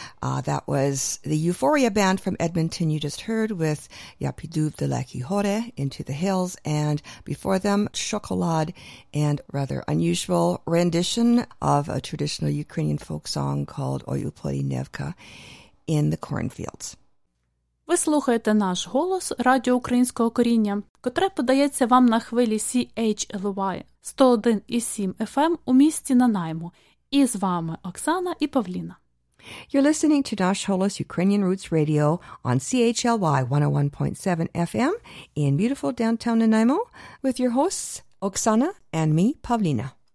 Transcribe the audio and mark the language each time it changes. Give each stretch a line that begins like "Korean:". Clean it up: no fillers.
English: That was the Euphoria Band from Edmonton you just heard with Yapidouv de la Quijote, Into the Hills, and before them, Chocolade, and rather unusual rendition of a traditional Ukrainian folk song called Oyupoli Nevka in the cornfields.
Ukrainian: Ви слухаєте наш голос Радіо Українського коріння, котре подається вам на хвилі CHLY 101.7 FM у місті Нанаймо. І з вами Оксана і Павліна.
English: You're listening to Dash Holos Ukrainian Roots Radio on CHLY 101.7 FM in beautiful downtown Nanaimo with your hosts Оксана and me, Павліна.